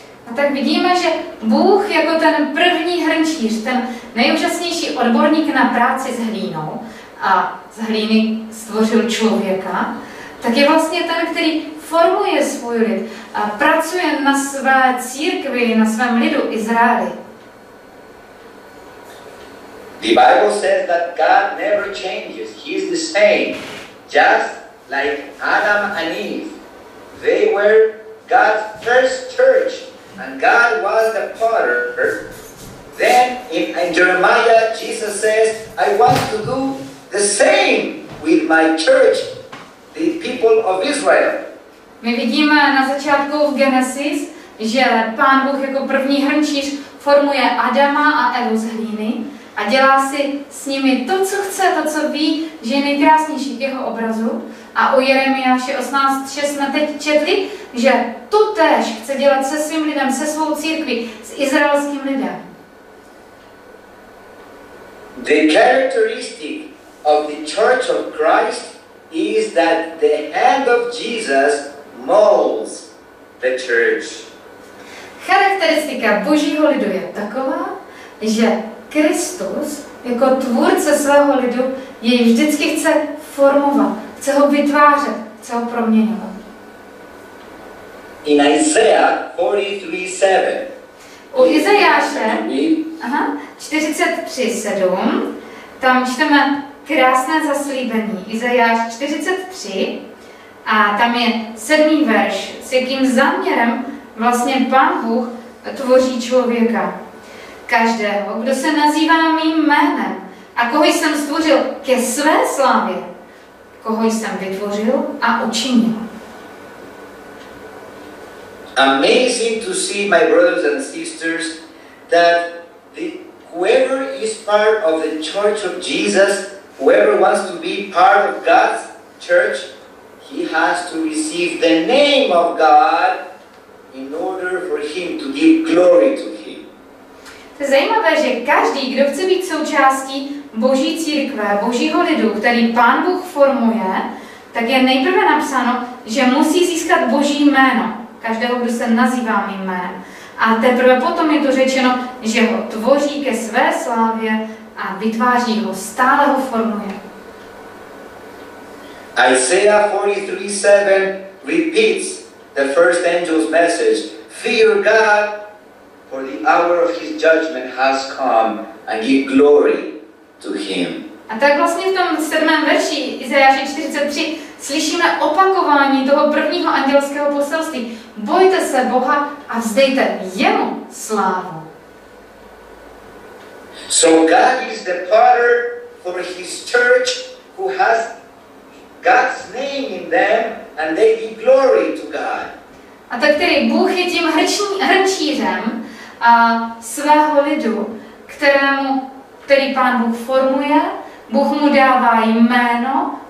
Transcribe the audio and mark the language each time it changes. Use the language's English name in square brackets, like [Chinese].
[Czech] A tak vidíme, že Bůh jako ten první hrnčíř, ten nejúžasnější odborník na práci s hlínou a z hlíny stvořil člověka, tak je vlastně ten, který formuje svůj lid a pracuje na své církvi, na svém lidu Izraeli. [English] The Bible says that God never changes. He is the same. Just like Adam and Eve. They were God's first church and God was the potter. Then in Jeremiah, Jesus says, I want to do the same with my church, the people of Israel. [Czech] My vidíme na začátku v Genesis, že Pán Bůh jako první hrnčíř formuje Adama a Evu z hlíny a dělá si s nimi to, co chce, to, co ví, že je nejkrásnější k jeho obrazu. A u Jeremiáše 18:6 jsme teď četli, že to též chce dělat se svým lidem, se svou církví, s izraelským lidem. [English] The characteristic of the Church of Christ is that the hand of Jesus molds the church. [Czech] Charakteristika Božího lidu je taková, že Kristus jako tvůrce svého lidu jej vždycky chce formovat, chce ho vytvářet, chce ho proměňovat. [English] In Isaiah 43:7. [Czech] U Izajáše 43:7 tam čteme krásné zaslíbení. Izajáš 43 a tam je sedmý verš, s jakým záměrem vlastně Pán Bůh tvoří člověka. Každého, kdo se nazývá mým jménem a koho jsem stvořil ke své slávě, koho jsem vytvořil a učinil. [English] Amazing to see, my brothers and sisters, that whoever is part of the Church of Jesus, whoever wants to be part of God's church, he has to receive the name of God in order for him to give glory to him. [Czech] To je zajímavé, že každý, kdo chce být součástí Boží církve, Božího lidu, který Pán Bůh formuje, tak je nejprve napsáno, že musí získat Boží jméno, každého, kdo se nazývá mým jménem. A teprve potom je to řečeno, že ho tvoří ke své slávě a vytváří ho, stále ho formuje. [English] Isaiah 43:7 repeats the first angel's message. Fear God, for the hour of his judgment has come, and give glory to him. [Czech] A tak vlastně v tom sedmém verši Izajáše 43 slyšíme opakování toho prvního andělského poselství. Bojte se Boha a vzdejte jemu slávu. [English] So God is the potter for his church who has God's name in them and they give glory to God. [Czech] A tak tedy Bůh je tím hrnčířem a svého lidu, který Pán Bůh formuje, Bůh mu dává jméno.